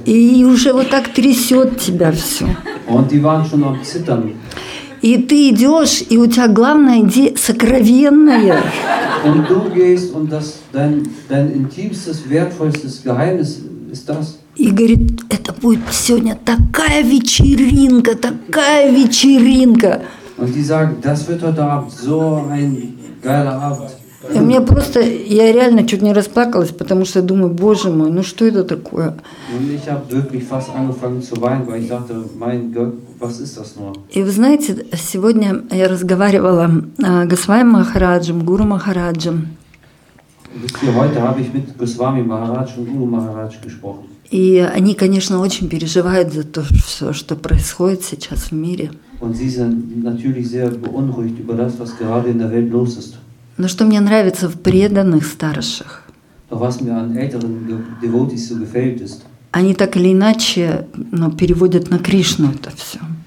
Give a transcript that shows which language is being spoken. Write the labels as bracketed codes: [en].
[ru] И уже вот так трясет тебя все. [de] Und die waren schon am Zittern. [ru] И ты идешь, и у тебя главное идея сокровенная. [de] Und du gehst, und das dein intimstes, wertvollstes Geheimnis ist das. [ru] И говорит, это будет сегодня такая вечеринка, такая вечеринка. [de] Und die sagen, das wird heute Abend so ein geiler Abend. [ru] И мне просто, я реально чуть не расплакалась, потому что я думаю, Боже мой, ну что это такое? [de] Und ich habe wirklich fast angefangen zu weinen, weil ich dachte, mein Gott, was ist das nur? [ru] И вы знаете, сегодня я разговаривала Госвами Махараджем, Гуру Махараджем. [de] Heute habe ich mit Госвами Махарадж und Гуру Махарадж gesprochen. [ru] И они, конечно, очень переживают за то, все, что происходит сейчас в мире. [de] Und sie sind natürlich sehr beunruhigt über das, was gerade in der Welt los ist. [ru] Но что мне нравится в преданных старших? Они так или иначе, но переводят на Кришну это все.